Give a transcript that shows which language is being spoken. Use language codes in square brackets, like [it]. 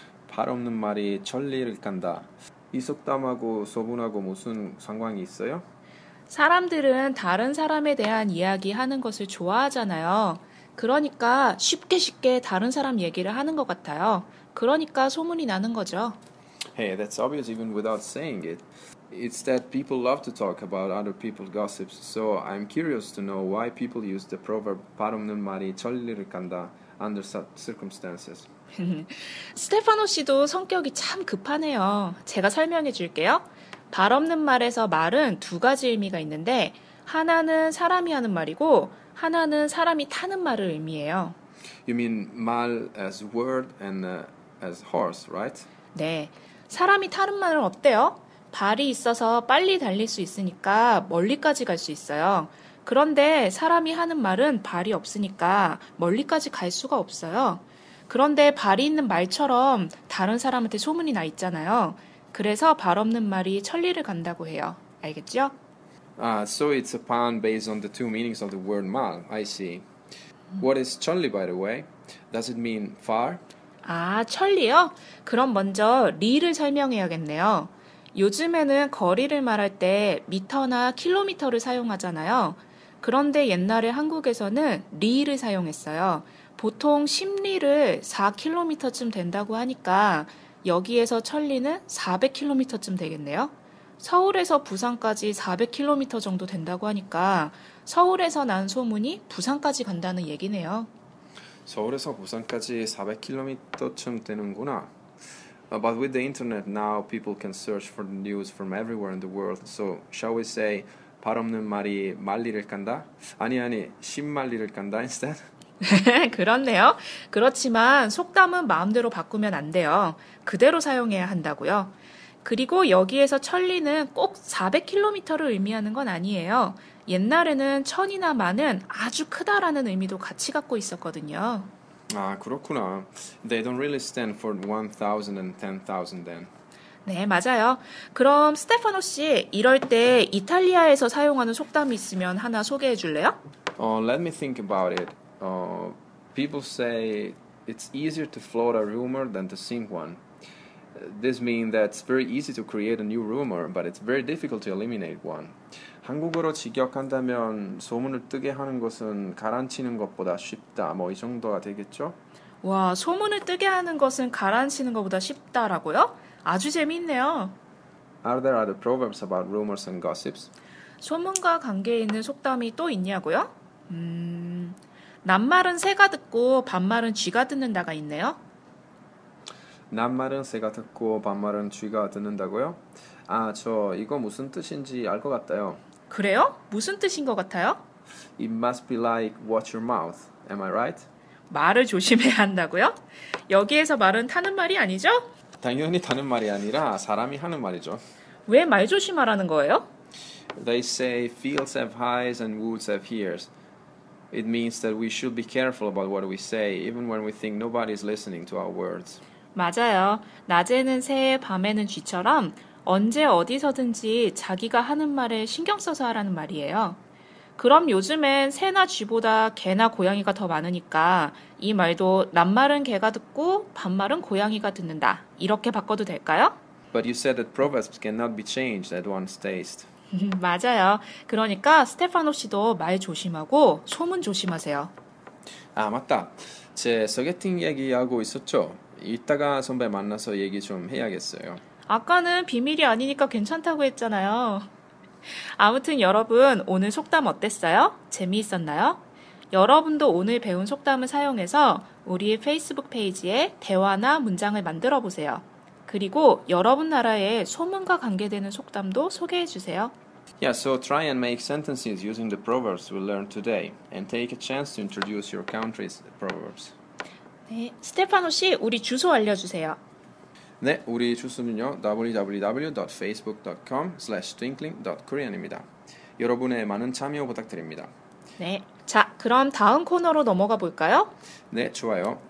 [ko] 발 없는 말이 천리를 간다. 이 속담하고 소문하고 무슨 상관이 있어요? 사람들은 다른 사람에 대한 이야기하는 것을 좋아하잖아요. 그러니까 쉽게 다른 사람 얘기를 하는 것 같아요. 그러니까 소문이 나는 거죠. [en] Hey, that's obvious even without saying it. It's that people love to talk about other people's gossips. So I'm curious to know why people use the proverb [ko] 발 없는 말이 천리를 간다 [en] under such circumstances. [ko] 스테파노 씨도 성격이 참 급하네요. 제가 설명해 줄게요. 발 없는 말에서 말은 두 가지 의미가 있는데 하나는 사람이 하는 말이고 하나는 사람이 타는 말을 의미해요. [en] You mean 말 as word and as horse, right? [ko] 네. 사람이 타는 말은 어때요? 발이 있어서 빨리 달릴 수 있으니까 멀리까지 갈 수 있어요. 그런데 사람이 하는 말은 발이 없으니까 멀리까지 갈 수가 없어요. 그런데 발이 있는 말처럼 다른 사람한테 소문이 나 있잖아요. 그래서 발 없는 말이 천리를 간다고 해요. 알겠죠? [en] So it's a pun based on the two meanings of the word 말. I see. What is 천리, by the way? Does it mean far? [ko] 아, 천리요? 그럼 먼저 리를 설명해야겠네요. 요즘에는 거리를 말할 때 미터나 킬로미터를 사용하잖아요. 그런데 옛날에 한국에서는 리를 사용했어요. 보통 10리를 4km쯤 된다고 하니까 여기에서 천리는 400km쯤 되겠네요. 서울에서 부산까지 400km 정도 된다고 하니까 서울에서 난 소문이 부산까지 간다는 얘기네요. 서울에서 부산까지 400km쯤 되는구나. [en] But with the internet now, people can search for the news from everywhere in the world. So shall we say [ko] 발 없는 말이 만리를 간다? 아니, 10만리를 간다 [en] instead? [ko] 그렇네요. 그렇지만 속담은 마음대로 바꾸면 안 돼요. 그대로 사용해야 한다고요. 그리고 여기에서 천리는 꼭 400km를 의미하는 건 아니에요. 옛날에는 천이나 만은 아주 크다라는 의미도 같이 갖고 있었거든요. 아, 그렇구나. [en] They don't really stand for 1,000 and 10,000 then. [ko] 네, 맞아요. 그럼 스테파노 씨, 이럴 때 이탈리아에서 사용하는 속담이 있으면 하나 소개해 줄래요? [en] Let me think about it. People say it's easier to float a rumor than to sink one. This means that it's very easy to create a new rumor, but it's very difficult to eliminate one. [ko] 한국어로 직역한다면 소문을 뜨게 하는 것은 가라앉히는 것보다 쉽다. 뭐 이 정도가 되겠죠? 와, 소문을 뜨게 하는 것은 가라앉히는 것보다 쉽다라고요? 아주 재미있네요. [en] Are there other proverbs about rumors and gossips? [ko] 소문과 관계에 있는 속담이 또 있냐고요? 낱말은 새가 듣고 반말은 쥐가 듣는다가 있네요. 낱말은 새가 듣고 반말은 쥐가 듣는다고요? 아, 저 이거 무슨 뜻인지 알 것 같아요. 그래요? 무슨 뜻인 것 같아요? [en] It must be like watch your mouth. Am I right? [ko] 말을 조심해야 한다고요? 여기에서 말은 타는 말이 아니죠? 당연히 타는 말이 아니라 사람이 하는 말이죠. 왜 말 조심하라는 거예요? [en] They say fields have eyes and woods have ears. It means that we should be careful about what we say, even when we think nobody is listening to our words. [ko] 맞아요. 낮에는 새, 밤에는 쥐처럼 언제 어디서든지 자기가 하는 말에 신경 써서 하라는 말이에요. 그럼 요즘엔 새나 쥐보다 개나 고양이가 더 많으니까 이 말도 낱말은 개가 듣고 반말은 고양이가 듣는다. 이렇게 바꿔도 될까요? [en] But you said that proverbs cannot be changed at one's taste. [ko] 맞아요. 그러니까 스테파노 씨도 말 조심하고 소문 조심하세요. 아, 맞다. 제 소개팅 얘기하고 있었죠? 이따가 선배 만나서 얘기 좀 해야겠어요. 아까는 비밀이 아니니까 괜찮다고 했잖아요. 아무튼 여러분, 오늘 속담 어땠어요? 재미있었나요? 여러분도 오늘 배운 속담을 사용해서 우리 페이스북 페이지에 대화나 문장을 만들어 보세요. 그리고 여러분 나라의 소문과 관계되는 속담도 소개해 주세요. [en] Yeah, so try and make sentences using the proverbs we learned today and take a chance to introduce your country's proverbs. [ko] 네, 스테파노 씨, 우리 주소 알려주세요. 네, 우리 주소는요, www.facebook.com/twinkling.korean입니다. 여러분의 많은 참여 부탁드립니다. 네, 자, 그럼 다음 코너로 넘어가 볼까요? 네, 좋아요.